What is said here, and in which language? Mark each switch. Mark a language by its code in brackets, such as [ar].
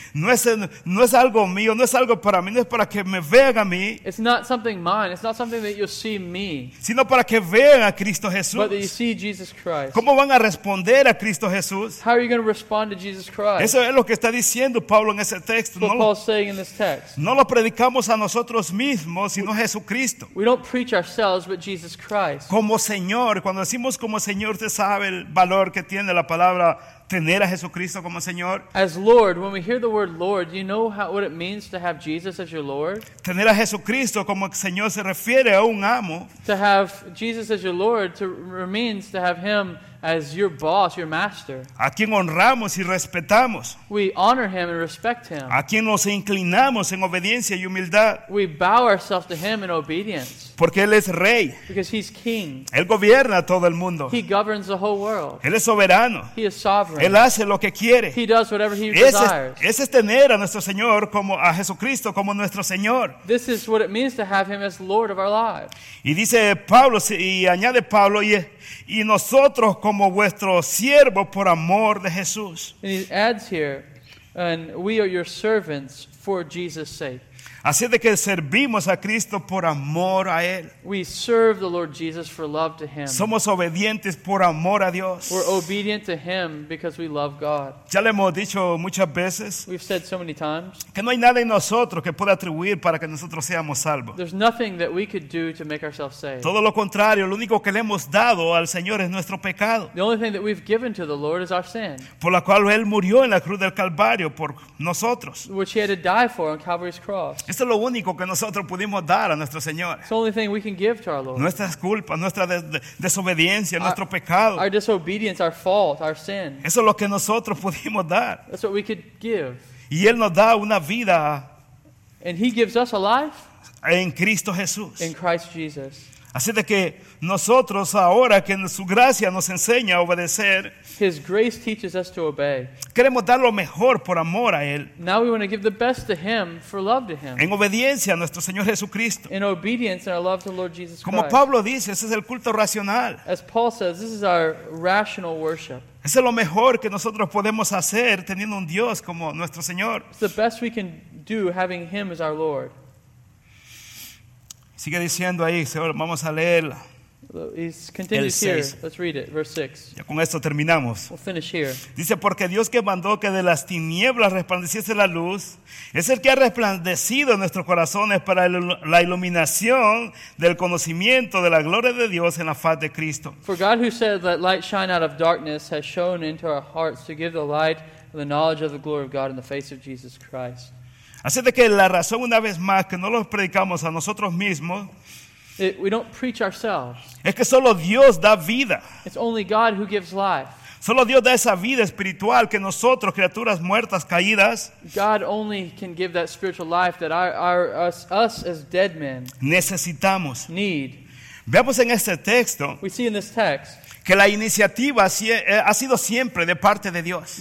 [es] No es algo mío, no es algo para mí, no es para que me vean a mí. [en] It's not something mine, it's not something that you'll see me. [es] Sino para que vean a Cristo Jesús. [en] But that you see Jesus Christ. [es] ¿Cómo van a responder a Cristo Jesús? [en] How are you going to respond to Jesus Christ? [es] Eso es lo que está diciendo Pablo en ese texto. [en] What Paul's saying in this text. [es] No lo predicamos a nosotros mismos, sino a Jesucristo. [en] We don't preach ourselves, but Jesus Christ. [es] Como Señor, cuando decimos como Señor, sabe el valor que tiene la palabra tener a Jesucristo como Señor. [en] As Lord, when we hear the word Lord, you know how, what it means to have Jesus as your Lord? [es] Tener a Jesucristo como Señor se refiere a un amo. [en] To have Jesus as your Lord means to have him as your boss, your master. [es] A quien honramos y respetamos. [en] We honor him and respect him. [es] A quien nos inclinamos en obediencia y humildad. [en] We bow ourselves to him in obedience. [es] Porque él es rey. [en] Because he's king. [es] Él gobierna todo el mundo. [en] He governs the whole world. [es] Él es soberano. [en] He is sovereign. [es] Él hace lo que quiere. [en] He does whatever he desires. [es] Ese es tener a nuestro Señor como a Jesucristo como nuestro Señor. [en] This is what it means to have him as Lord of our lives. [es] Y dice Pablo, y añade Pablo, y nosotros como vuestro siervo por amor de Jesús. [en] And he adds here, and we are your servants for Jesus' sake. [es] Así de que servimos a Cristo por amor a Él. [en] We serve the Lord Jesus for love to Him. [es] Somos obedientes por amor a Dios. [en] We're obedient to Him because we love God. [es] Ya le hemos dicho muchas veces. [en] We've said so many times. [es] Que no hay nada en nosotros que pueda atribuir para que nosotros seamos salvos. [en] There's nothing that we could do to make ourselves saved. [es] Todo lo contrario, lo único que le hemos dado al Señor es nuestro pecado. [en] The only thing that we've given to the Lord is our sin. [es] Por la cual Él murió en la cruz del Calvario por nosotros. [en] Which He had to die for on Calvary's cross. [es] Esto es lo único que nosotros pudimos dar a nuestro Señor. [en] It's the only thing we can give to our Lord. [es] Nuestras culpas, nuestra desobediencia, nuestro pecado. [en] Our disobedience, our fault, our sin. [es] Eso es lo que nosotros pudimos dar. [en] That's what we could give. [es] Y Él nos da una vida. [en] And He gives us a life. [es] En Cristo Jesús. [en] In Christ Jesus. [es] Así de que nosotros ahora que su gracia nos enseña a obedecer. [en] His grace teaches us to obey. [es] Queremos dar lo mejor por amor a Él. [en] Now we want to give the best to Him for love to Him. [es] En obediencia a nuestro Señor Jesucristo. [en] In obedience and our love to Lord Jesus Christ. [es] Como Pablo dice, ese es el culto racional. [en] As Paul says, this is our rational worship. [es] Ese es lo mejor que nosotros podemos hacer teniendo un Dios como nuestro Señor. [en] It's the best we can do having Him as our Lord. [es] Sigue diciendo ahí, vamos a leerla. [en] He's continues here. Let's read it, verse 6. [es] Ya con esto terminamos. [en] We'll finish here. [es] Dice, porque Dios que mandó que de las tinieblas resplandeciese la luz, es el que ha resplandecido nuestros corazones para la iluminación del conocimiento de la gloria de Dios en la faz de Cristo. [en] For God who said that light shine out of darkness has shone into our hearts to give the light and the knowledge of the glory of God in the face of Jesus Christ. [es] Así de que la razón una vez más que no los predicamos a nosotros mismos. [en] We don't preach ourselves. [es] Es que solo Dios da vida. [en] It's only God who gives life. [es] Solo Dios da esa vida espiritual que nosotros, criaturas muertas, caídas. [en] God only can give that spiritual life that us as dead men [es] necesitamos. [en] Need. [es] Veamos en este texto. [en] We see in this text. [es] Que la iniciativa ha sido siempre de parte de Dios.